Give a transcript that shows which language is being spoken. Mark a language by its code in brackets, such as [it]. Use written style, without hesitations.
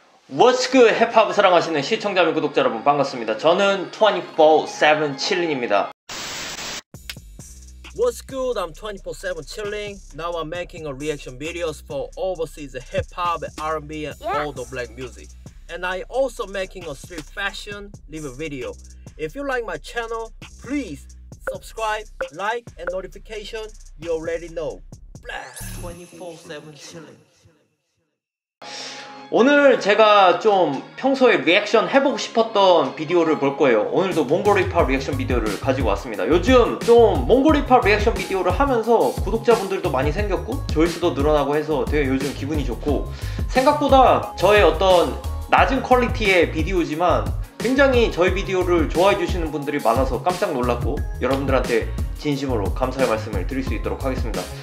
[en] What's good, [ko] 힙합 사랑하시는 시청자분, 구독자 여러분, 반갑습니다. 저는 24/7 Chilling입니다. [en] What's good, I'm 24/7 Chilling. Now I'm making a reaction videos for overseas hip-hop, R&B, and all the black music. And I also making a street fashion live video. If you like my channel, please subscribe, like, and notification, you already know. Blast! 24/7 Chilling. [ko] 오늘 제가 좀 평소에 리액션 해보고 싶었던 비디오를 볼 거예요. 오늘도 몽골힙합 리액션 비디오를 가지고 왔습니다. 요즘 좀 몽골힙합 리액션 비디오를 하면서 구독자분들도 많이 생겼고 조회수도 늘어나고 해서 되게 요즘 기분이 좋고, 생각보다 저의 어떤 낮은 퀄리티의 비디오지만 굉장히 저희 비디오를 좋아해 주시는 분들이 많아서 깜짝 놀랐고, 여러분들한테 진심으로 감사의 말씀을 드릴 수 있도록 하겠습니다.